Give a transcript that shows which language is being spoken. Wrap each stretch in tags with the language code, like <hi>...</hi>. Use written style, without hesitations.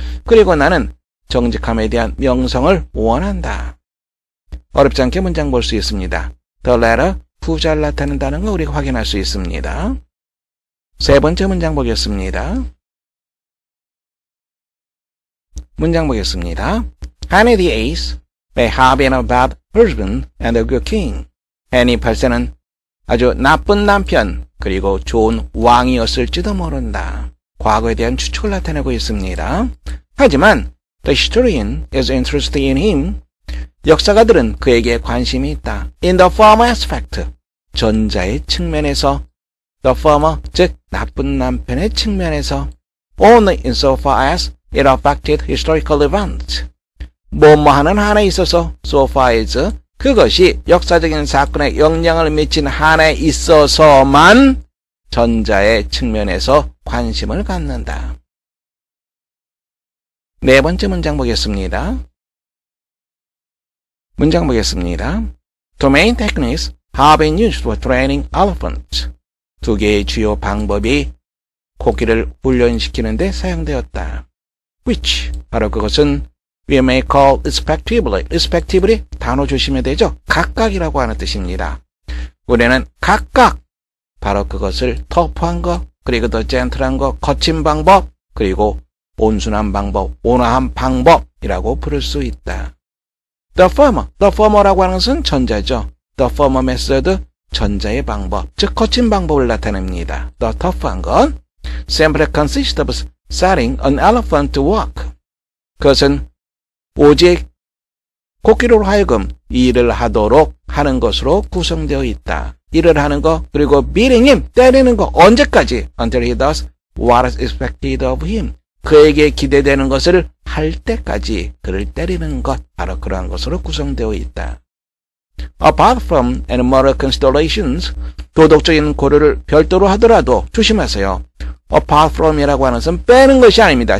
<ko>그리고 나는 정직함에 대한 명성을 원한다. 어렵지 않게 문장 볼 수 있습니다.</ko> <en>The letter</en> <ko>후자를 나타낸다는 거 우리가 확인할 수 있습니다. 세 번째 문장 보겠습니다. 문장 보겠습니다.</ko> <en>Henry the Eighth may have been a bad husband and a good king.</en> <ko>헨리 8세는 아주 나쁜 남편 그리고 좋은 왕이었을지도 모른다. 과거에 대한 추측을 나타내고 있습니다. 하지만</ko> <en>the historian is interested in him.</en> <ko>역사가들은 그에게 관심이 있다.</ko> <en>In the former aspect,</en> <ko>전자의 측면에서</ko> <en>the former</en> <ko>즉 나쁜 남편의 측면에서</ko> <en>only insofar as it affected historical events.</en> <ko>뭐뭐 하는 한에 있어서</ko> <en>so far as</en> <ko>그것이 역사적인 사건에 영향을 미친 한에 있어서만 전자의 측면에서 관심을 갖는다. 네 번째 문장 보겠습니다. 문장 보겠습니다.</ko> <en>Two main techniques have been used for training elephants.</en> <ko>두 개의 주요 방법이 코끼리를 훈련시키는 데 사용되었다.</ko> <en>Which?</en> <ko>바로 그것은</ko> <en>we may call respectively. respectively</en> <ko>단어 조심해야 되죠. 각각이라고 하는 뜻입니다. 우리는 각각 바로 그것을 터프한 것 그리고 더 젠틀한 것 거친 방법 그리고 온순한 방법 온화한 방법이라고 부를 수 있다.</ko> <en>The former. The former라고</en> <ko>하는 것은 전자죠.</ko> <en>The former method,</en> <ko>전자의 방법, 즉 거친 방법을 나타냅니다.</ko> <en>The tough한 건 simply consists of setting an elephant to walk.</en> <ko>그것은 오직 코끼리로 하여금 일을 하도록 하는 것으로 구성되어 있다. 일을 하는 것, 그리고</ko> <en>beating him,</en> <ko>때리는 것, 언제까지?</ko> <en>Until he does what is expected of him.</en> <ko>그에게 기대되는 것을 할 때까지 그를 때리는 것, 바로 그러한 것으로 구성되어 있다.</ko> <en>Apart from any moral considerations,</en> <ko>도덕적인 고려를 별도로 하더라도, 조심하세요.</ko> <en>Apart from</en> <ko>이라고 하는 것은 빼는 것이 아닙니다.</ko>